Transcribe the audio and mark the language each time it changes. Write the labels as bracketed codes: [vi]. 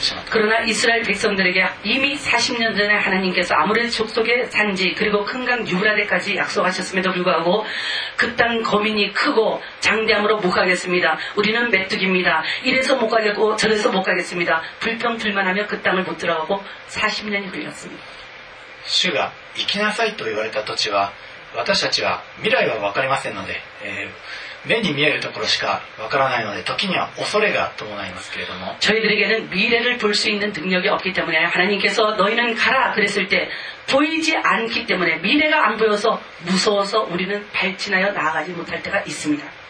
[ko] 그러나 이스라엘 백성들에게 이미 40년 전에 하나님께서 아모리 족속의 산지 그리고 큰 강 유브라데까지 약속하셨음에도 불구하고 그 땅 거민이 크고 장대함으로 못 가겠습니다. 우리는 메뚜기입니다. 이래서 못 가겠고 저래서 못 가겠습니다. 불평 불만하며 그 땅을 못 들어가고 40년이 걸렸습니다. 주가 [ja] 行きなさいと言われた土地は 私たちは未来は分かりませんので 目に見えるところしか分からないので時には恐れが伴いますけれども [ko] 저희들에게는 미래를 볼 수 있는 능력이 없기 때문에 하나님께서 너희는 가라 그랬을 때 보이지 않기 때문에 미래가 안 보여서 무서워서 우리는 발진하여 나아가지 못할 때가 있습니다.